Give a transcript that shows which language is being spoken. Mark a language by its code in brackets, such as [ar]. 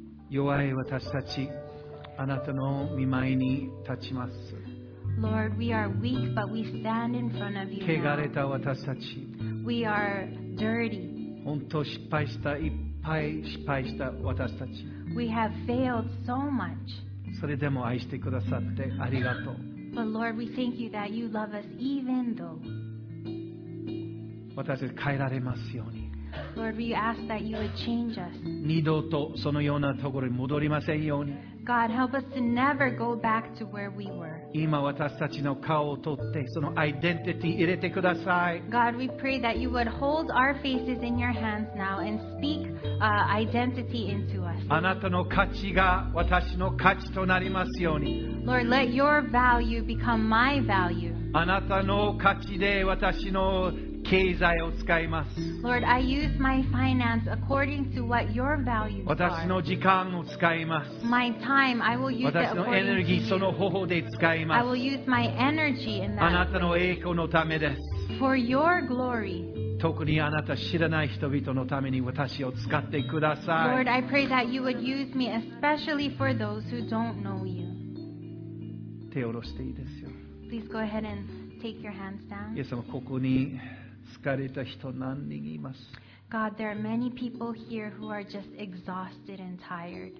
[ja] 弱い私たち、あなたの御前に立ちます。 [en] Lord, we are weak, but we stand in front of you. [ja] 汚れた私たち。 [en] We are dirty. [ja] 本当失敗した、いっぱい失敗した私たち。 [en] We have failed so much. [ja] それでも愛してくださってありがとう。 [en] But Lord, we thank you that you love us even though. [ja] 私たち変えられますように。 [en] Lord, we ask that you would change us. [ja] 二度とそのようなところに戻りませんように。 [en] God, help us to never go back to where we were. [ja] 今私たちの顔を取ってそのアイデンティティ入れてください。 [en] God, we pray that you would hold our faces in your hands now and speak identity into us. [ja] あなたの価値が私の価値となりますように。 [en] Lord, let your value become my value. [ja] あなたの価値で私の経済を使います。 [en] Lord, I use my finance according to what your values are. [ja] 私の時間を使います。 [en] My time, I will use it according to you. [ja] 私のエネルギー、その方法で使います。 [en] I will use my energy in that [ja] あなたの栄光のためです。 [en] For your glory. [ja] 特にあなた知らない人々のために私を使ってください。 [en] Lord, I pray that you would use me especially for those who don't know you. [ja] 手を下ろしていいですよ。 [en] Please go ahead and take your hands down. [ja] イエス様、ここに疲れた人何人います。 [en] God, there are many people here who are just exhausted and tired.